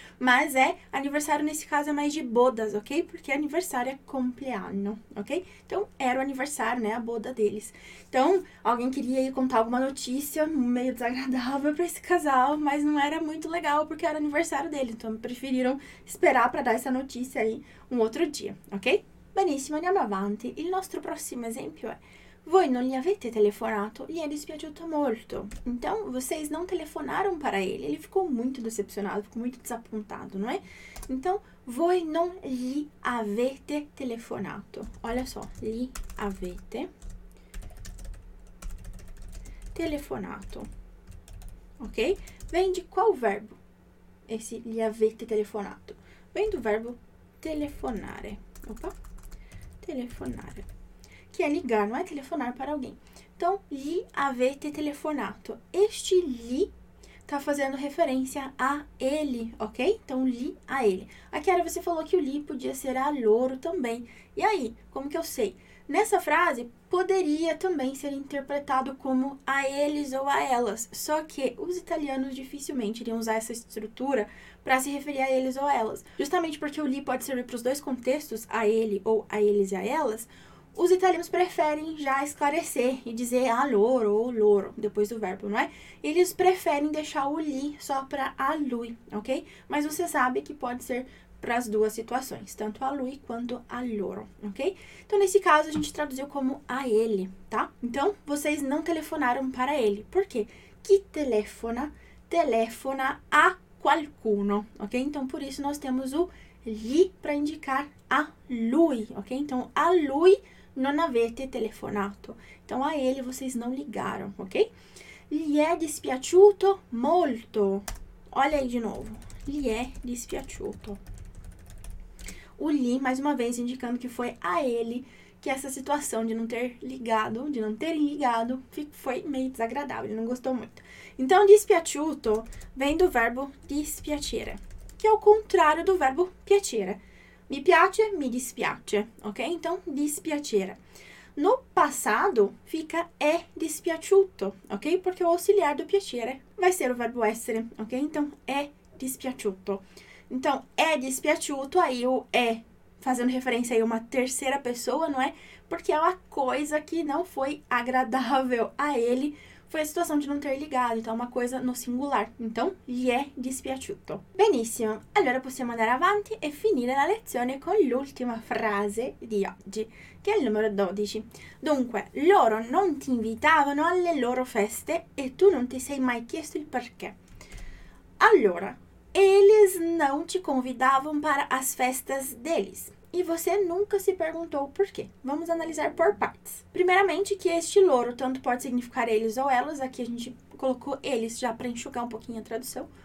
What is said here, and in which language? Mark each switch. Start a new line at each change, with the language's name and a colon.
Portuguese: Mas é aniversário nesse caso é mais de bodas, ok? Porque aniversário é compleanno, ok? Então era o aniversário, né? A boda deles. Então alguém queria ir contar alguma notícia meio desagradável para esse casal, mas não era muito legal porque era aniversário dele. Então preferiram esperar para dar essa notícia aí um outro dia, ok?
Italian: Benissimo, andiamo avanti. Il nostro prossimo esempio è: voi non gli avete telefonato, gli è dispiaciuto molto.
Portuguese: Então, vocês não telefonaram para ele. Ele ficou muito decepcionado, ficou muito desapontado, não é?
Italian: Então, voi non gli avete telefonato. Olha só, gli avete telefonato. Ok?
Portuguese: Vem de qual verbo? Esse gli avete telefonato. Vem do verbo telefonare. Opa. Telefonare, que é ligar, não é telefonar para alguém.
Italian: Então, gli avete telefonato.
Portuguese: Este gli está fazendo referência a ele, ok? Então, gli a ele. Aqui era você falou que o gli podia ser a loro também. E aí, como que eu sei? Nessa frase, poderia também ser interpretado como a eles ou a elas. Só que os italianos dificilmente iriam usar essa estrutura para se referir a eles ou a elas. Justamente porque o lhe pode servir para os dois contextos, a ele ou a eles e a elas, os italianos preferem já esclarecer e dizer a loro ou loro depois do verbo, não é? Eles preferem deixar o lhe só para a lui, ok? Mas você sabe que pode ser para as duas situações, tanto a lui quanto a loro, ok? Então, nesse caso, a gente traduziu como a ele, tá? Então, vocês não telefonaram para ele. Por quê?
Italian: Chi telefona, telefona a qualcuno, ok?
Portuguese: Então, por isso, nós temos o gli para indicar a lui, ok?
Italian: Então, a lui non avete telefonato.
Portuguese: Então, a ele vocês não ligaram, ok?
Italian: Gli è dispiaciuto molto.
Portuguese: Olha aí de novo.
Italian: Gli è dispiaciuto.
Portuguese: O gli, mais uma vez, indicando que foi a ele que essa situação de não ter ligado, de não terem ligado, foi meio desagradável, ele não gostou muito. Então, dispiaciuto vem do verbo dispiacere, que é o contrário do verbo piacere.
Italian: Mi piace, mi dispiace, ok? Então, dispiacere.
Portuguese: No passado, fica è dispiaciuto, ok? Porque o auxiliar do piacere vai ser o verbo essere, ok? Então, è dispiaciuto. Então, è dispiaciuto, aí o è fazendo referência aí a uma terceira pessoa, não é? Porque é uma coisa que não foi agradável a ele, foi a situação de não ter ligado, então é uma coisa no singular. Então,
Italian: gli è dispiaciuto. Benissimo, allora possiamo andare avanti e finire la lezione con l'ultima frase di oggi, che è il numero 12. Dunque, loro non ti invitavano alle loro feste e tu non ti sei mai chiesto il perché.
Portuguese: Allora, eles não te convidavam para as festas deles. E você nunca se perguntou por quê. Vamos analisar por partes. Primeiramente, que este loro tanto pode significar eles ou elas. Aqui a gente colocou eles já para enxugar um pouquinho a tradução.